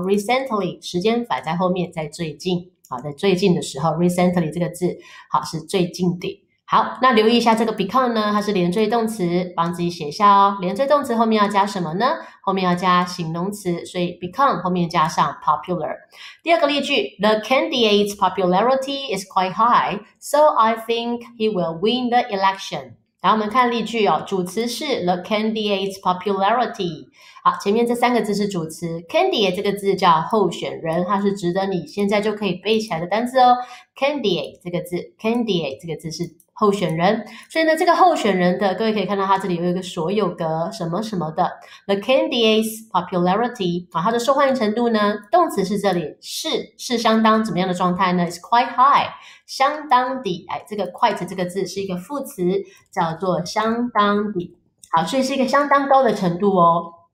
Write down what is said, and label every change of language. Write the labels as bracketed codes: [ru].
[zh] recently 时间摆在后面，在最近，好，在最近的时候 ，recently 这个字，好，是最近的。好，那留意一下这个 become 呢，它是连缀动词，帮自己写一下哦。连缀动词后面要加什么呢？后面要加形容词，所以 become 后面加上 popular。第二个例句 ， [en] The candidate's popularity is quite high, so I think he will win the election. [zh] 然后我们看例句哦，主词是 [en] the candidate's popularity。 [zh] 好，前面这三个字是主词 ，candidate 这个字叫候选人，它是值得你现在就可以背起来的单字哦。 candidate 这个字 ，candidate 这个字是候选人，所以呢，这个候选人的，各位可以看到它这里有一个所有格什么什么的 ， [en] the candidate's popularity， [zh] 啊，它的受欢迎程度呢，动词是这里是相当怎么样的状态呢 ？ [en] It's quite high， [zh] 相当的，哎，这个 quite 这个字是一个副词，叫做相当的，好，所以是一个相当高的程度哦。